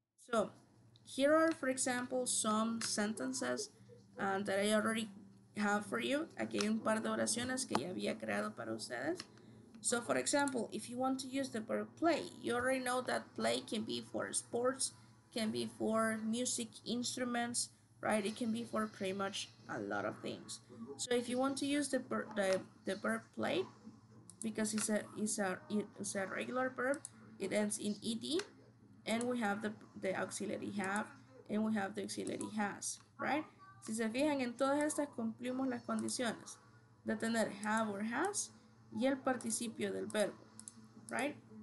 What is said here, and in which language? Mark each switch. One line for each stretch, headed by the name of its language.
English: So here are, for example, some sentences that I already have for you.
Spanish: Aquí hay un par de oraciones que ya había creado para ustedes.
English: So for example, if you want to use the verb play, you already know that play can be for sports, can be for music instruments, right? It can be for pretty much a lot of things. So if you want to use the verb play, because it's a regular verb, it ends in ED, and we have the auxiliary have, and we have the auxiliary has, right?
Spanish: Si se fijan, en todas estas cumplimos las condiciones de tener
English: have or has
Spanish: y el participio del verbo, right?